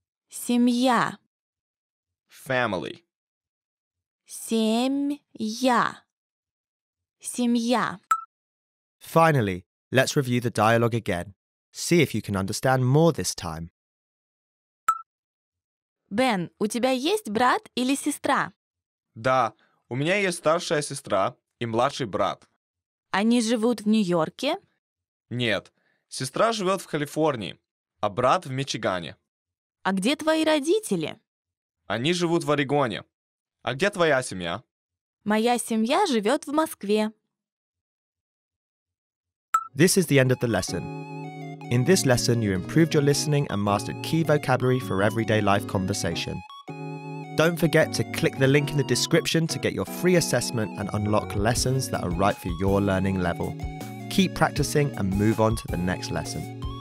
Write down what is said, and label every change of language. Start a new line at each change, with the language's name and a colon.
Russian: Семья.
English: Family.
Russian: Семья. Семья.
English: Finally, let's review the dialogue again. See if you can understand more this time.
Russian: Бен, у тебя есть брат или сестра? Да, у меня есть старшая сестра и младший брат. Они живут в Нью-Йорке? Нет, сестра живет в Калифорнии, а брат в Мичигане. А где твои родители? Они живут в Орегоне. А где твоя семья? Моя семья живет в Москве.
English: This is the end of the lesson. In this lesson, you improved your listening and mastered key vocabulary for everyday life conversation. Don't forget to click the link in the description to get your free assessment and unlock lessons that are right for your learning level. Keep practicing and move on to the next lesson.